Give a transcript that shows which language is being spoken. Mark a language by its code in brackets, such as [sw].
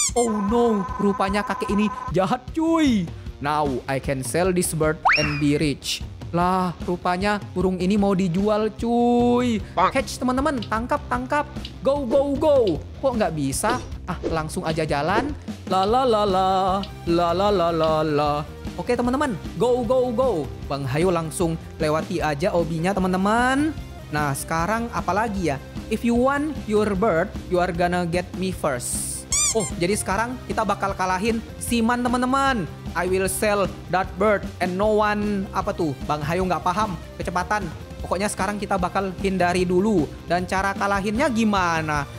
[id] Oh no, rupanya kakek ini jahat cuy. [en] Now I can sell this bird and be rich. [id] Lah, rupanya burung ini mau dijual cuy. Catch teman-teman, tangkap, tangkap. [en] Go, go, go. [id] Kok nggak bisa? Ah, langsung aja jalan. La la la la, la la la la la. Oke teman-teman, [en] go, go, go. [id] Bang Hayo langsung lewati aja obinya teman-teman. Nah, sekarang apalagi ya? [en] if you want your bird, you are gonna get me first. [id] Oh, jadi sekarang kita bakal kalahin Siman, teman-teman. [en] I will sell that bird and no one, [id] apa tuh? Bang Hayo nggak paham. Kecepatan. Pokoknya sekarang kita bakal hindari dulu. Dan cara kalahinnya gimana?